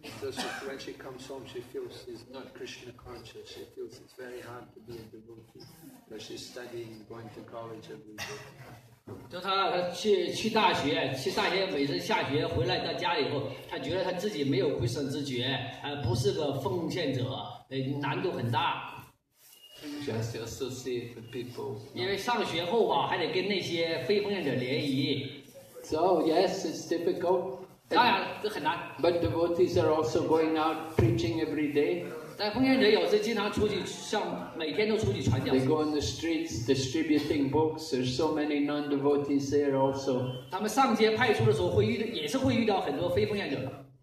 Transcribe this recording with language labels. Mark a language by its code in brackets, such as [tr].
[en] So she, when she comes home, she feels she's not Krishna conscious. She feels it's very hard to be a devotee. But she's studying, going to college every day. [zh] 就她去大学，每次下学回来到家以后，她觉得她自己没有归顺之觉，不是个奉献者，难度很大。 [en] She has to associate with people. [zh] 因为上学后还得跟那些非奉献者联谊。 [en] So yes, it's difficult. [zh] 当然,这很难。 [en] But devotees are also going out preaching every day. [zh] 但奉献者有时经常出去,像每天都出去传讲。 [en] They go on the streets distributing books. There's so many non-devotees there also. [zh] 他们上街派出的时候,也是会遇到很多非奉献者。